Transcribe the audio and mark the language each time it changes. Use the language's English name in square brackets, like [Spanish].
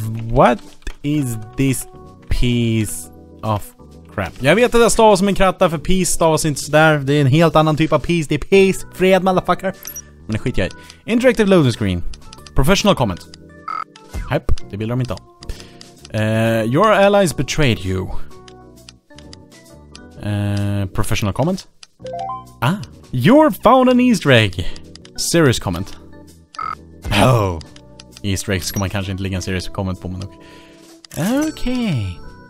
[English] what is this piece of crap? [Swedish] Jag vet att jag stavar som en kratta, för piece stavas inte sådär. Det är en helt annan typ av piece. Det är piece. Fred, motherfucker. Men det skiter jag i. [English] Interactive loading screen. Professional comment. [Swedish] Hepp, det vill de inte ha. [English] Your allies betrayed you. Professional comment. Ah. You're found an Easter egg. Serious comment. Oh. [Swedish] Easter eggs ska man kanske inte lägga en serious comment på, men okej.